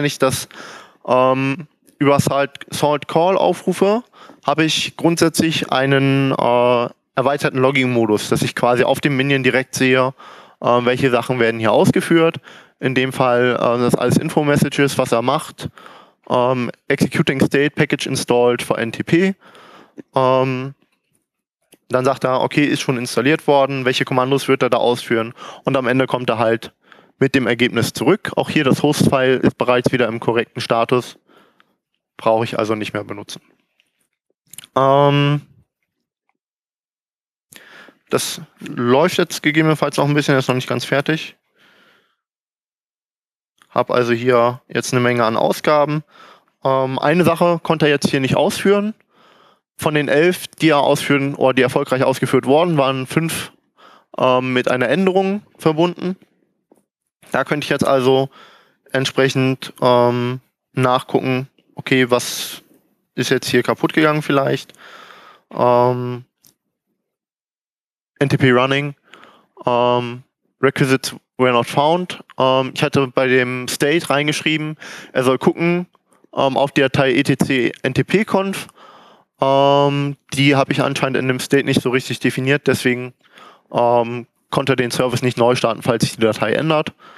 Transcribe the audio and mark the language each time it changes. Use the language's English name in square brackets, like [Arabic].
[German] Wenn ich das über Salt Call aufrufe, habe ich grundsätzlich einen erweiterten Logging-Modus, dass ich quasi auf dem Minion direkt sehe, welche Sachen werden hier ausgeführt. In dem Fall sind das alles Info-Messages, was er macht. [English] Executing State Package installed for NTP. [German] Dann sagt er, okay, ist schon installiert worden, welche Kommandos wird er da ausführen, und am Ende kommt er halt mit dem Ergebnis zurück. Auch hier das Host-File ist bereits wieder im korrekten Status, brauche ich also nicht mehr benutzen. Das läuft jetzt gegebenenfalls noch ein bisschen, ist noch nicht ganz fertig. Hab also hier jetzt eine Menge an Ausgaben. Eine Sache konnte er jetzt hier nicht ausführen. Von den 11, die er ausführen oder die erfolgreich ausgeführt wurden, waren 5 mit einer Änderung verbunden. Da könnte ich jetzt also entsprechend nachgucken, okay, was ist jetzt hier kaputt gegangen vielleicht? [English] NTP Running, Requisites were not found. [German] Ich hatte bei dem State reingeschrieben, er soll gucken auf die Datei etc/ntp-conf. Die habe ich anscheinend in dem State nicht so richtig definiert, deswegen konnte er den Service nicht neu starten, falls sich die Datei ändert.